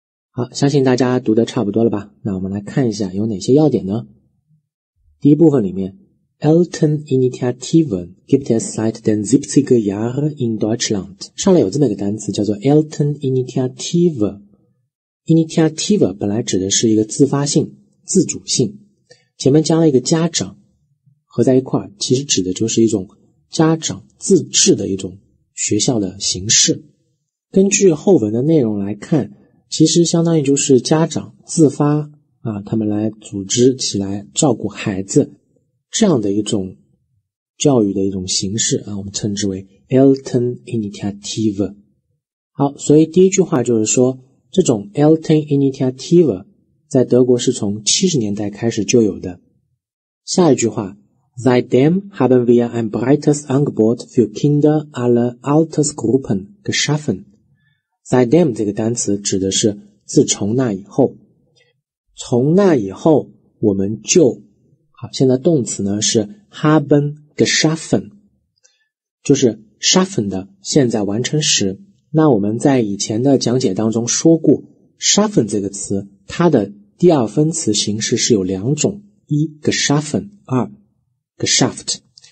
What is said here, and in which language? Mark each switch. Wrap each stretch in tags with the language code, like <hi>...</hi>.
<zh>好，相信大家读得差不多了吧，那我们来看一下有哪些要点呢。第一部分里面，</zh> <de>Elton Initiativen gibt es seit den 70er Jahre in Deutschland，</de> <zh>上来有这么一个单词叫做 Elton Initiative。 Initiative 本来指的是一个自发性、自主性，前面加了一个家长合在一块，其实指的就是一种家长自治的一种学校的形式。根据后文的内容来看，其实相当于就是家长自发啊，他们来组织起来照顾孩子这样的一种教育的一种形式啊，我们称之为 Eltern Initiative。好，所以第一句话就是说，这种 Eltern Initiative 在德国是从70年代开始就有的。下一句话，</zh> <de>Seitdem haben wir ein breites Angebot für Kinder aller Altersgruppen geschaffen。</de> <zh>Seitdem 这个单词指的是自从那以后，从那以后我们就，好，现在动词呢是 haben geschaffen， 就是 schaffen 的现在完成时。那我们在以前的讲解当中说过， schaffen 这个词它的第二分词形式是有两种，一 geschaffen， 二 geschafft。</zh>